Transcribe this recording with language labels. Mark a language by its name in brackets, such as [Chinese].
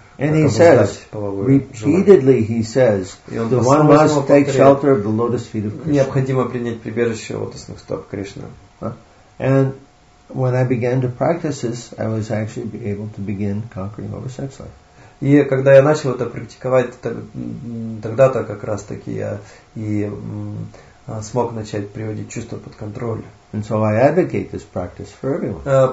[English] And he says, repeatedly he says, the one must take shelter of the lotus feet of Krishna. [Russian] Необходимо принять прибежище у лотосных стоп Кришны. [English] And when I began to practice this, I was actually able to begin conquering over sex life. [Russian] И когда я начал это практиковать, тогда-то как раз-таки я и смог начать приводить чувство под контроль. [English] And so I advocate this practice for everyone.